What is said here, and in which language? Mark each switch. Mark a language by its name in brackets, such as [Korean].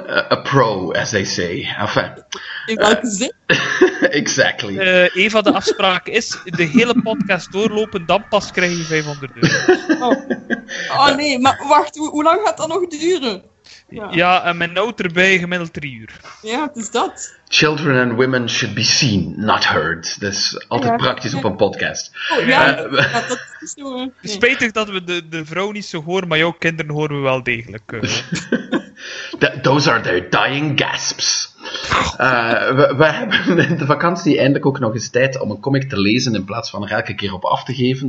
[English] A pro, as they say. Enfin, [Dutch] in welke zin? [English] Exactly. [Dutch] Eva, de afspraak is, de hele podcast doorlopen, dan pas krijg je 500 euro. Oh nee, maar wacht, hoe lang gaat dat nog duren? Ja, en mijn auto erbij, gemiddeld 3 uur. Ja, het is dat. [English] Children and women should be seen, not heard. [Dutch] Dat is altijd praktisch op een podcast. Oh, ja, dat is zo. Nee. Spijtig dat we de vrouw niet zo horen, maar jouw kinderen horen we wel degelijk. [English] Those are their dying gasps. [Dutch] We hebben in de vakantie eindelijk ook nog eens tijd om een comic te lezen in plaats van er elke keer op af te geven.